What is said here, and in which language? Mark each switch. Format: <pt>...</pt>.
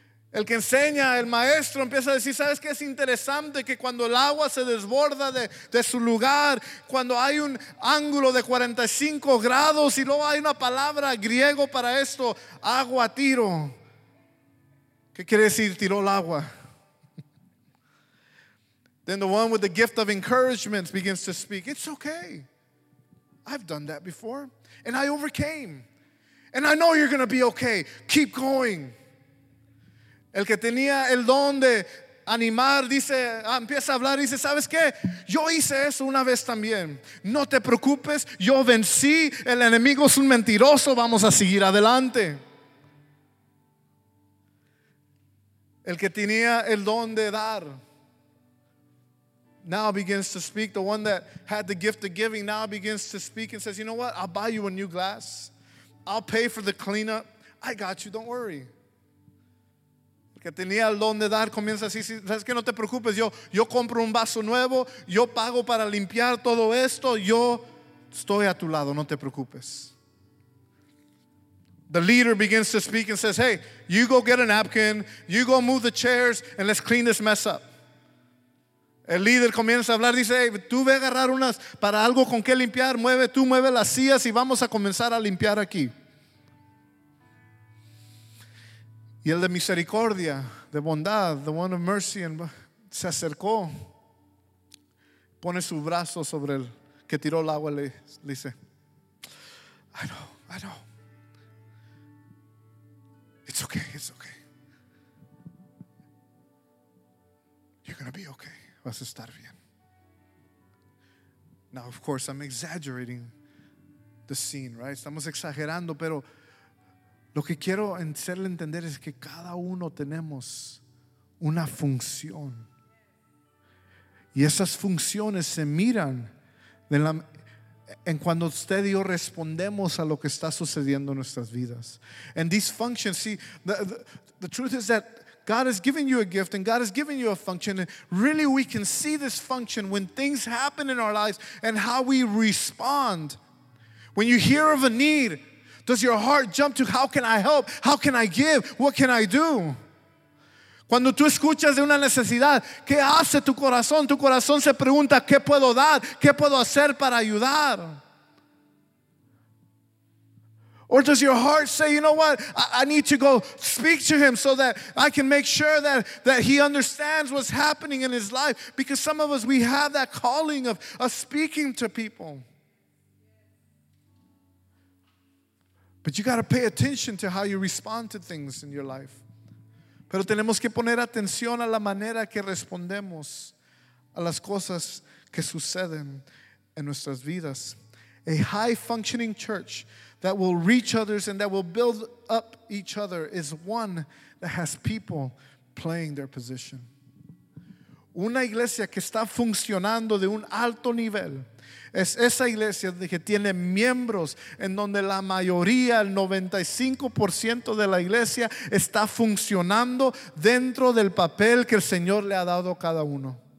<es>El que enseña, el maestro, empieza a decir, ¿sabes qué? Es interesante que cuando el agua se desborda de su lugar, cuando hay un ángulo de 45 grados, y luego hay una palabra griego para esto, agua tiro. ¿Qué quiere decir tiró el agua?</es> <en>Then the one with the gift of encouragement begins to speak. It's okay. I've done that before. And I overcame. And I know you're going to be okay. Keep going.</en> <es>El que tenía el don de animar, dice, empieza a hablar, dice, ¿sabes qué? Yo hice eso una vez también. No te preocupes, yo vencí. El enemigo es un mentiroso. Vamos a seguir adelante. El que tenía el don de dar,</es> <en>now begins to speak. The one that had the gift of giving now begins to speak and says, you know what? I'll buy you a new glass. I'll pay for the cleanup. I got you. Don't worry.</en> <es>Que tenía el don de dar, comienza así, sabes que no te preocupes, yo compro un vaso nuevo, yo pago para limpiar todo esto, yo estoy a tu lado, no te preocupes.</es> <en>The leader begins to speak and says, hey, you go get a napkin, you go move the chairs and let's clean this mess up.</en> <es>El líder comienza a hablar, dice, hey, tú ve a agarrar unas para algo con que limpiar, mueve las sillas y vamos a comenzar a limpiar aquí. Y el de misericordia, de bondad,</es> <en>the one of mercy,</en> <es>and se acercó, pone su brazo sobre el que tiró el agua, le dice,</es> <en>I know, it's okay, you're gonna be okay,</en> <es>vas a estar bien.</es> <en>Now, of course, I'm exaggerating the scene, right?</en> <es>Estamos exagerando, pero lo que quiero hacerle entender es que cada uno tenemos una función. Y esas funciones se miran en cuando usted y yo respondemos a lo que está sucediendo en nuestras vidas.</es> <en>And these functions, see, the truth is that God has given you a gift and God has given you a function. And really we can see this function when things happen in our lives and how we respond. When you hear of a need, does your heart jump to how can I help? How can I give? What can I do?</en> <es>Cuando tú escuchas de una necesidad, ¿qué hace tu corazón? Tu corazón se pregunta, ¿qué puedo dar? ¿Qué puedo hacer para ayudar?</es> <en>Or does your heart say, you know what? I need to go speak to him so that I can make sure that he understands what's happening in his life. Because some of us, we have that calling of speaking to people. But you got to pay attention to how you respond to things in your life.</en> <es>Pero tenemos que poner atención a la manera que respondemos a las cosas que suceden en nuestras vidas.</es> <en>A high functioning church that will reach others and that will build up each other is one that has people playing their position.</en> <es>Una iglesia que está funcionando de un alto nivel es esa iglesia que tiene miembros en donde la mayoría, el 95% de la iglesia está funcionando dentro del papel que el Señor le ha dado a cada uno.</es>